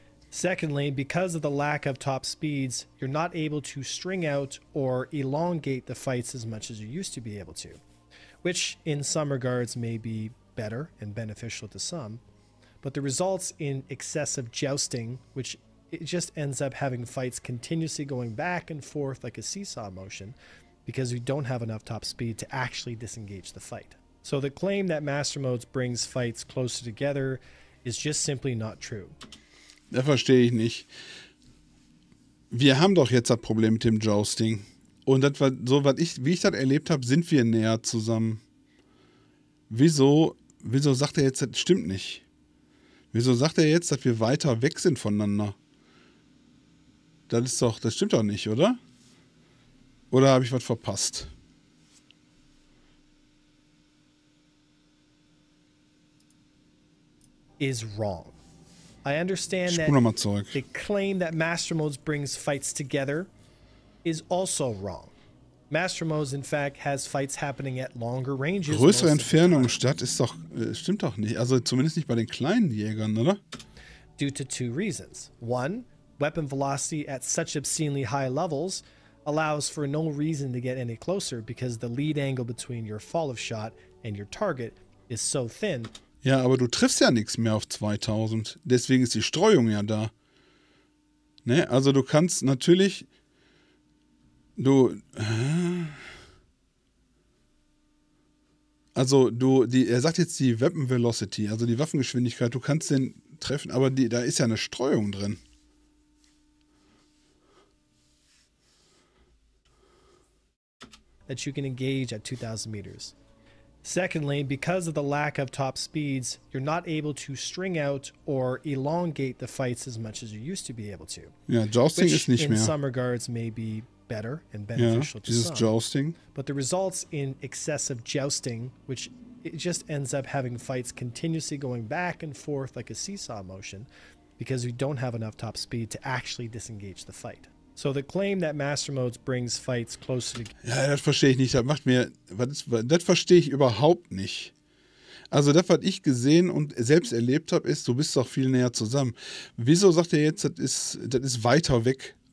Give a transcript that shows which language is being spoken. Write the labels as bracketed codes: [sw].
[en] Secondly, because of the lack of top speeds, you're not able to string out or elongate the fights as much as you used to be able to, which in some regards may be better and beneficial to some, but the results in excessive jousting, which it just ends up having fights continuously going back and forth like a seesaw motion because we don't have enough top speed to actually disengage the fight. So the claim that Master Modes brings fights closer together is just simply not true. [de] Das verstehe ich nicht. Wir haben doch jetzt das Problem mit dem Jousting. Und das war so, wie ich das erlebt habe, sind wir näher zusammen. Wieso sagt er jetzt, das stimmt nicht? Wieso sagt er jetzt, dass wir weiter weg sind voneinander? Das ist doch, das stimmt doch nicht, oder? Oder habe ich was verpasst? [en] Is wrong. I understand that the claim that MasterModes brings fights together is also wrong. MasterModes, in fact, has fights happening at longer ranges. [de] Größere Entfernungen statt ist doch, stimmt doch nicht. Also zumindest nicht bei den kleinen Jägern, oder? [en] Due to two reasons. One, weapon velocity at such obscenely high levels allows for no reason to get any closer because the lead angle between your fall of shot and your target is so thin. [de] Ja, aber du triffst ja nichts mehr auf 2000. Deswegen ist die Streuung ja da. Ne? Also du kannst natürlich... Er sagt jetzt die Weapon Velocity, also die Waffengeschwindigkeit. Du kannst den treffen, aber da ist ja eine Streuung drin. [en] That you can engage at 2000 meters. Secondly, because of the lack of top speeds, you're not able to string out or elongate the fights as much as you used to be able to. Yeah, jousting is [de] nicht [en] in [de] mehr. [en] In some regards, may be better and beneficial yeah, to some. Yeah, jousting. But the results in excessive jousting, which it just ends up having fights continuously going back and forth like a seesaw motion, because we don't have enough top speed to actually disengage the fight. So the claim that MasterModes brings fights closer to... [de] Ja, das verstehe ich nicht. Das macht mir... Das verstehe ich überhaupt nicht. Also das, was ich gesehen und selbst erlebt habe, ist, du bist doch viel näher zusammen. Wieso sagt er jetzt, das ist weiter weg?